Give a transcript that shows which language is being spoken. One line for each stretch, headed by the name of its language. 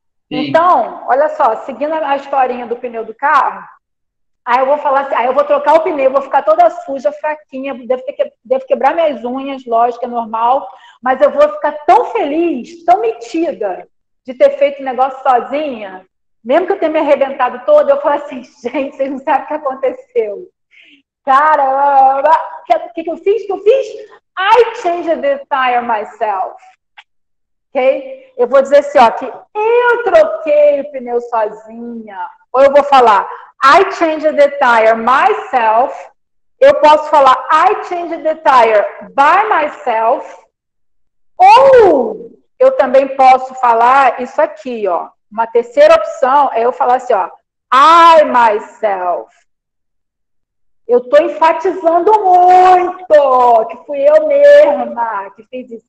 Portuguese: Então, olha só, seguindo a historinha do pneu do carro, aí eu vou falar assim, aí eu vou trocar o pneu, vou ficar toda suja, fraquinha, devo quebrar minhas unhas, lógico, é normal, mas eu vou ficar tão feliz, tão metida de ter feito o negócio sozinha, mesmo que eu tenha me arrebentado toda, eu falo assim, gente, vocês não sabem o que aconteceu. Cara, que eu fiz? Que eu fiz?
English: I changed the tire myself. Ok?
Portuguese: Eu vou dizer assim, ó, que eu troquei o pneu sozinha. Ou eu vou falar,
English: I changed the tire myself.
Portuguese: Eu posso falar,
English: I changed the tire by myself.
Portuguese: Ou eu também posso falar isso aqui, ó. Uma terceira opção é eu falar assim, ó,
English: I myself.
Portuguese: Eu tô enfatizando muito que fui eu mesma que fiz isso.